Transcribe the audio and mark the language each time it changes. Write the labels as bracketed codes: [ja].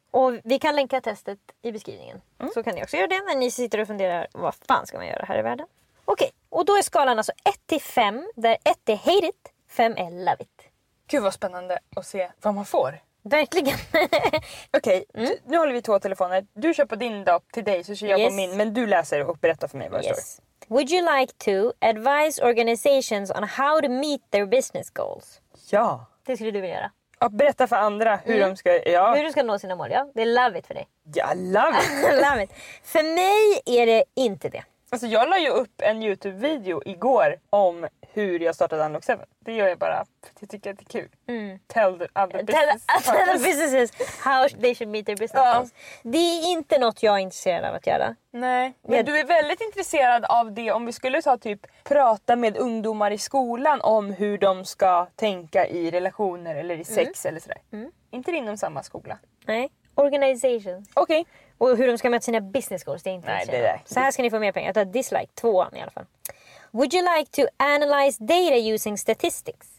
[sv] Och vi kan länka testet i beskrivningen. Mm. Så kan ni också göra det när ni sitter och funderar vad fan ska man göra här i världen. Okej, och då är skalan alltså 1-5 där 1 är hate it, 5 är love it. Gud vad spännande att se vad man får. Verkligen. Okej, nu håller vi två telefoner. Du kör på din dag till dig så kör jag på min. Men du läser och berättar för mig vad det står. [en] Would you like to advise organizations on how to meet their business goals? [sv] Ja. Det skulle du vilja göra. Att berätta för andra hur de ska... Ja. Hur de ska nå sina mål, ja. Det är love it för dig. Ja, love it. Love it. För mig är det inte det. Alltså, jag la ju upp en YouTube-video igår om hur jag startade Unlock 7. Det gör jag bara för att jag tycker att det är kul. Mm. [en] Tell the other business. Tell the businesses how they should meet their business goals. [sv] Det är inte något jag är intresserad av att göra. Nej, men du är väldigt intresserad av det om vi skulle ta typ prata med ungdomar i skolan om hur de ska tänka i relationer eller i sex eller sådär. Mm. Inte inom samma skola. Nej, organization. Okej. Okay. Och hur de ska möta sina business goals, det är inte intressant. Så här ska ni få mer pengar. Jag tar dislike 2 i alla fall. [en] Would you like to analyze data using statistics?